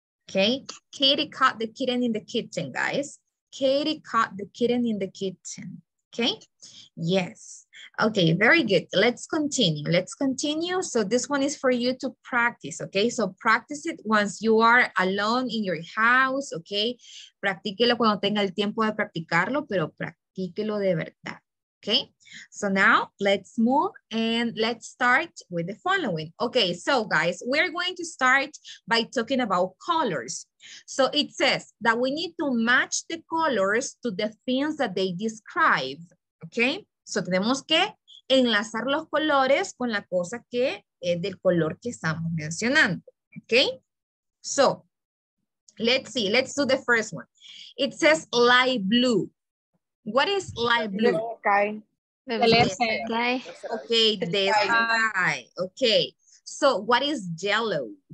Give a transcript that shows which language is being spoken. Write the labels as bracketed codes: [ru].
[en] Okay, Katie caught the kitten in the kitchen, guys. Katie caught the kitten in the kitchen, okay? Yes, okay, very good. Let's continue. So this one is for you to practice, okay? So practice it once you are alone in your house, okay? [es] Practíquelo cuando tenga el tiempo de practicarlo, pero practíquelo de verdad. [en] Okay, so now let's move and let's start with the following. Okay, so guys, we're going to start by talking about colors. So it says that we need to match the colors to the things that they describe. Okay, so [es] tenemos que enlazar los colores con la cosa que es del color que estamos mencionando. [en] Okay, so let's see, let's do the first one. It says light blue. What is light blue? The sky. Okay, the sky. Okay, so what is yellow?